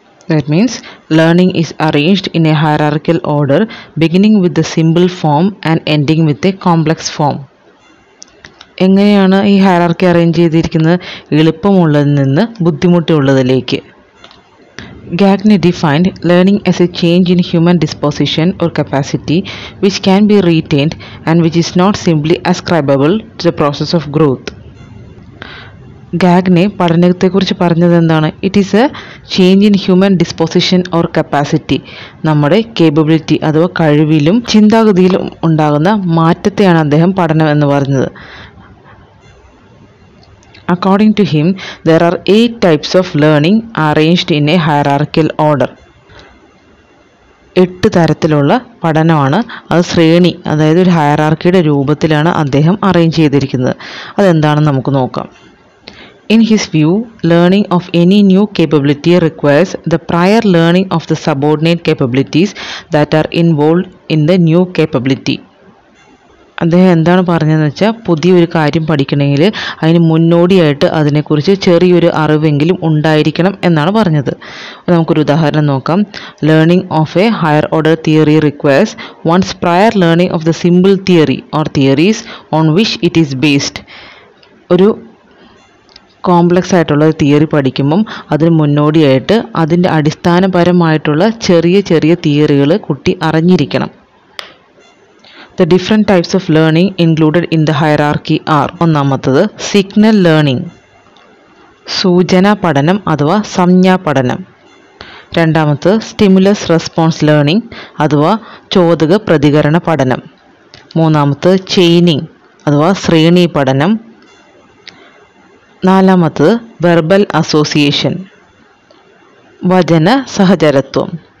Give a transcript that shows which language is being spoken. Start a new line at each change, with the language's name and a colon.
English: That means learning is arranged in a hierarchical order, beginning with a simple form and ending with a complex form.
Malayalam: എങ്ങനെയാണ് ഈ hierarchy arrange ചെയ്തിരിക്കുന്നത്? എളുപ്പമുള്ളതിൽ നിന്ന് ബുദ്ധിമുട്ടുള്ളതിലേക്ക്.
English: Gagne defined learning as a change in human disposition or capacity which can be retained and which is not simply ascribable to the process of growth.
Malayalam: Gagne പഠനത്തെക്കുറിച്ച് പറഞ്ഞത് എന്താണ്?
English: It is a change in human disposition or capacity.
Malayalam: നമ്മുടെ capability അഥവാ കഴിവിലും ചിന്താഗതിയിലും ഉണ്ടാകുന്ന മാറ്റത്തെയാണ് അദ്ദേഹം പഠനം എന്ന് പറഞ്ഞത്.
English: According to him, there are 8 types of learning arranged in a hierarchical order.
Malayalam: 8 തരത്തിലുള്ള പഠനമാണ് അത്, ശ്രേണി, അതായത് ഒരു ഹയറാർക്കിയുടെ രൂപത്തിലാണ് അദ്ദേഹം അറേഞ്ച് ചെയ്തിരിക്കുന്നത്. അതെന്താണെന്ന് നമുക്ക് നോക്കാം.
English: In his view, learning of any new capability requires the prior learning of the subordinate capabilities that are involved in the new capability.
Malayalam: അദ്ദേഹം എന്താണ് പറഞ്ഞതെന്ന് വെച്ചാൽ, പുതിയൊരു കാര്യം പഠിക്കണമെങ്കിൽ അതിന് മുന്നോടിയായിട്ട് അതിനെക്കുറിച്ച് ചെറിയൊരു അറിവെങ്കിലും ഉണ്ടായിരിക്കണം എന്നാണ് പറഞ്ഞത്. നമുക്കൊരു ഉദാഹരണം നോക്കാം.
English: Learning of a higher order theory requires one's prior learning of the simple theory or theories on which it is based.
Malayalam: ഒരു കോംപ്ലക്സ് ആയിട്ടുള്ള തിയറി പഠിക്കുമ്പം അതിന് മുന്നോടിയായിട്ട് അതിൻ്റെ അടിസ്ഥാനപരമായിട്ടുള്ള ചെറിയ ചെറിയ തിയറികൾ കുട്ടി അറിഞ്ഞിരിക്കണം.
English: The different types of learning included in the hierarchy are:
Malayalam: ഒന്നാമത്തത് സിഗ്നൽ ലേണിംഗ്, സൂചന പഠനം അഥവാ സംജ്ഞാ പഠനം. രണ്ടാമത്തത് സ്റ്റിമുലസ് റെസ്പോൺസ് ലേണിംഗ് അഥവാ ചോദക പ്രതികരണ പഠനം. മൂന്നാമത്തത് ചെയിനിങ് അഥവാ ശ്രേണി പഠനം. നാലാമത്തത് വെർബൽ അസോസിയേഷൻ, വചന സഹചരത്വം.